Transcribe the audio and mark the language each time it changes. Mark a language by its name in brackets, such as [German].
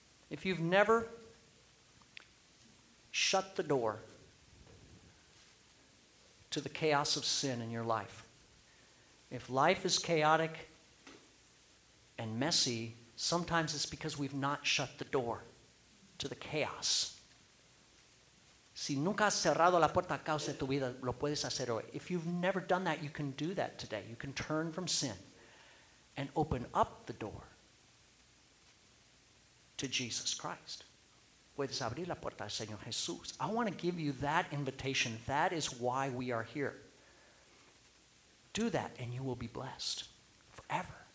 [English] If you've never shut the door to the chaos of sin in your life, if life is chaotic and messy, sometimes it's because we've not shut the door to the chaos. [Spanish] Si nunca has cerrado la puerta a causa de tu vida, lo puedes hacer hoy. [English] If you've never done that, you can do that today. You can turn from sin and open up the door to Jesus Christ. [Spanish] Puedes abrir la puerta al Señor Jesús. [English] I want to give you that invitation. That is why we are here. Do that and you will be blessed forever.